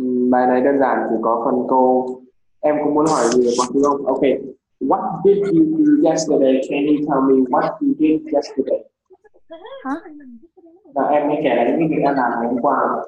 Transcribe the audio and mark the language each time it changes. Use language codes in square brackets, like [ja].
[vi] Bài này đơn giản, chỉ có phần câu. Em cũng muốn hỏi gì được bạn không? [en] Okay. What did you do yesterday? Can you tell me what you did yesterday? Huh? [vi] Và em mới kể lại những việc em làm ngày hôm qua.